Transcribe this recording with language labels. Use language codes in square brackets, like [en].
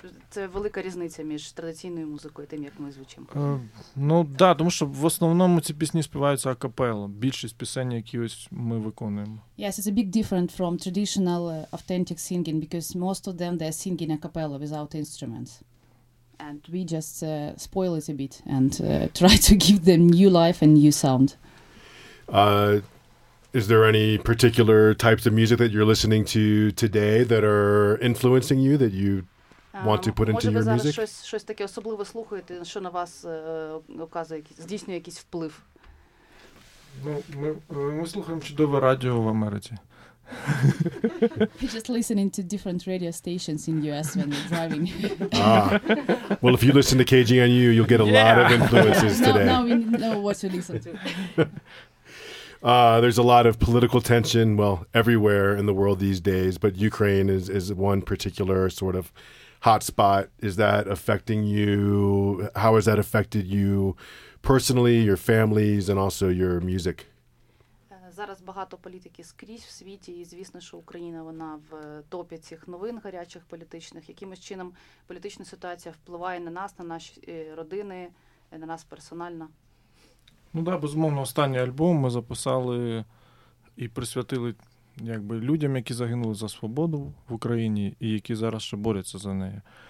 [uk] Це велика різниця між традиційною музикою і тим, як ми звучимо. Ну, так, да, тому що в основному ці пісні співаються акапелло. Більшість пісень, які ось ми виконуємо. [en] Yes, it's a big difference from traditional authentic singing, because most of them, they're singing acapella without instruments. And we just spoil it a bit and try to give them new life and new sound. Is there any particular types of music that you're listening to today that are influencing you that you want to put into your music? [uk] Може, ви зараз щось таке особливо слухаєте, що на вас оказує якийсь, здійснює якийсь вплив? Ну, ми слухаємо чудове радіо в Америці. [en] You're just listening to different radio stations in US when you're driving. Ah. Well, if you listen to KGNU, you'll get a lot of influences today. Now we know what to listen to. There's a lot of political tension, well, everywhere in the world these days, but Ukraine is one particular sort of hot spot. Is that affecting you? How has that affected you personally, your families, and also your music? [uk] Зараз багато політики скрізь в світі, і звісно, що Україна, вона в топі цих новин гарячих політичних. Якимось чином політична ситуація впливає на нас, на наші родини, на нас персонально? Ну да, безумовно, останній альбом ми записали і присвятили якби людям, які загинули за свободу в Україні і які зараз ще борються за неї.